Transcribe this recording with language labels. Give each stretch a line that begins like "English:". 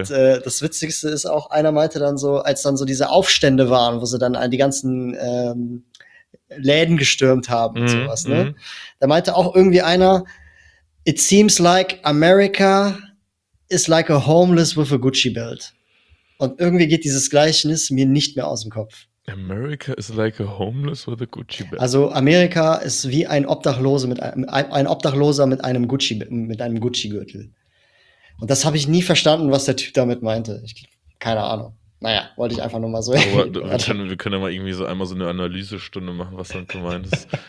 German: Und das Witzigste ist auch, einer meinte dann so, als dann so diese Aufstände waren, wo sie dann an die ganzen Läden gestürmt haben und sowas, ne? Da meinte auch irgendwie einer,
English: it seems like America is like a homeless with a Gucci belt.
German: Und irgendwie geht dieses Gleichnis mir nicht mehr aus dem Kopf.
English: America is like a homeless with a Gucci belt.
German: Also Amerika ist wie ein Obdachloser mit einem Gucci-Gürtel. Und das habe ich nie verstanden, was der Typ damit meinte. Keine Ahnung. Naja, wollte ich einfach nur mal so. Wir können ja mal irgendwie so einmal so eine Analysestunde machen, was dann gemeint ist.